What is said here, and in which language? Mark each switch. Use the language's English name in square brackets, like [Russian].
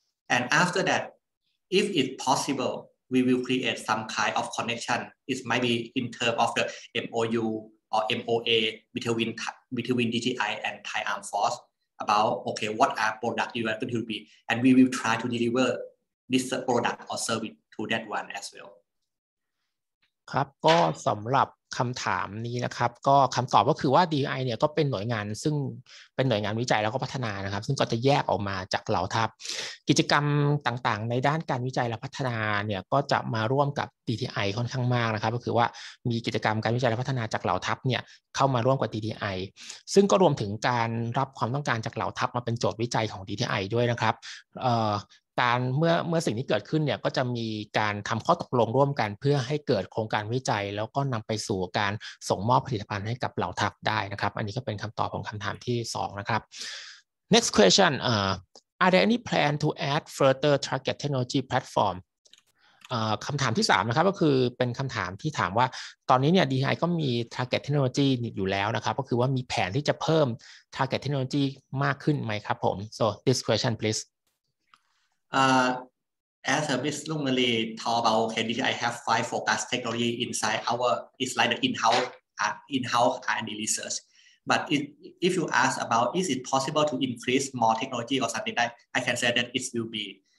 [English] And after that, if it's possible, we will create some kind of connection. It might be in terms of the MOU or MOA between DTI and Thai Armed Force about, okay, what are products you are going to be, and we will try to deliver this product or service to that one as well. [Thai] ครับก็สำหรับคำถามนี้นะครับก็คำตอบก็คือว่า DTI เนี่ยก็เป็นหน่วยงานซึ่งเป็นหน่วยงานวิจัยแล้วก็พัฒนานะครับซึ่งก็จะแยกออกมาจากเหล่าทัพกิจกรรมต่างๆในด้านการวิจัยและพัฒนาเนี่ยก็จะมาร่วมกับ DTI ค่อนข้างมากนะครับก็คือว่ามีกิจกรรมการวิจัยและพัฒนาจากเหล่าทัพเนี่ยเข้ามาร่วมกับ DTI ซึ่งก็รวมถึงการรับความต้องการจากเหล่าทัพมาเป็นโจทย์วิจัยของ DTI ด้วยนะครับ การเมื่อสิ่งนี้เกิดขึ้นเนี่ยก็จะมีการทำข้อตกลงร่วมกันเพื่อให้เกิดโครงการวิจัยแล้วก็นำไปสู่การส่งมอบผลิตภัณฑ์ให้กับเหล่าทัพได้นะครับอันนี้ก็เป็นคำตอบของคำถามที่2นะครับ [English] next question are there any plan to add further target technology platform [Thai] คำถามที่3นะครับก็คือเป็นคำถามที่ถามว่าตอนนี้เนี่ย DTI ก็มี target technology อยู่แล้วนะครับก็คือว่ามีแผนที่จะเพิ่ม target technology มากขึ้นไหมครับผม [English] so this question please As a business normally talk about, okay, DTI have 5 focus technology inside our, it's like the in-house R&D research. But if you ask about, is it possible to increase more technology or something like that, I can say that it will be.